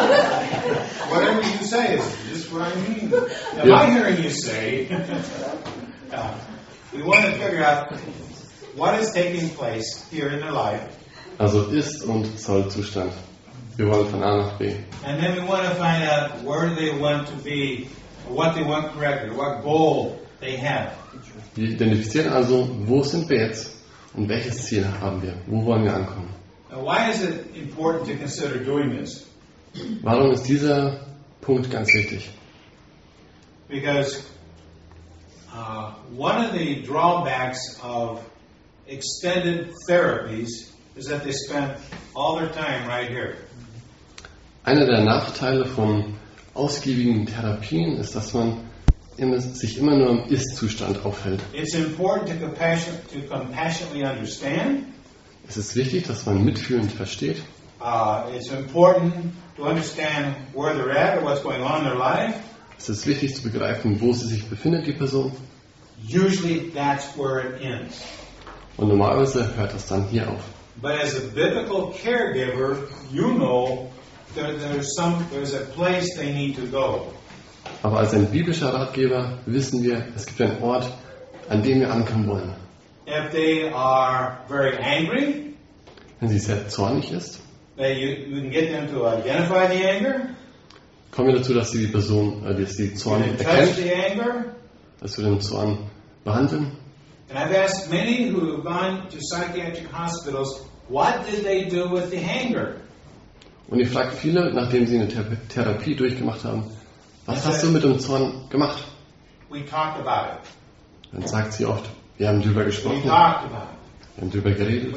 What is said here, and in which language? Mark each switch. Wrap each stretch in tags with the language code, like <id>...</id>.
<en>Whatever you say is just what I mean. Am I hearing you say? We want to figure out what is taking place here in their life.</en> <de>Also ist und soll Zustand. Wir wollen von A nach B.</de> <en>And then we want to find out where they want to be, what they want correctly, what goal they have.</en> <de>Wir identifizieren also, wo sind wir jetzt und welches Ziel haben wir? Wo wollen wir ankommen?</de> <en>Now why is it important to consider doing this?</en> <de>Warum ist dieser Punkt ganz wichtig?</de> <en>Because one of the drawbacks of extended therapies is that they spend all their time right here.</en> <de>Einer der Nachteile von ausgiebigen Therapien ist, dass man sich immer nur im Ist-Zustand aufhält.</de> <en>It's important to compassionately understand.</en> <de>Es ist wichtig, dass man mitfühlend versteht.</de> <en>It's important to understand where they're at or what's going on in their life.</en> <de>Es ist wichtig zu begreifen, wo sie sich befindet, die Person.</de> <en>Usually that's where it ends.</en> <de>Und normalerweise hört das dann hier auf.</de> <en>But as a biblical caregiver, you know that there's a place they need to go.</en> <de>Aber als ein biblischer Ratgeber wissen wir, es gibt einen Ort, an dem wir ankommen wollen.</de> <en>If they are very angry,</en> <de>wenn sie sehr zornig ist,</de> <en>then you can get them to identify the anger.</en> <de>Kommen wir dazu, dass sie die Person, dass sie Zorn erkennt, dass wir den Zorn behandeln.</de> <en>And I've asked many who have gone to psychiatric hospitals, what did they do with the anger?</en> <de>Und ich frage viele, nachdem sie eine Therapie durchgemacht haben, was hast du mit dem Zorn gemacht?</de> <en>We talked about it.</en> <de>Dann sagt sie oft, Wir haben darüber gesprochen.</de> <en>We talked about it.</en> <de>Wir haben darüber geredet.</de>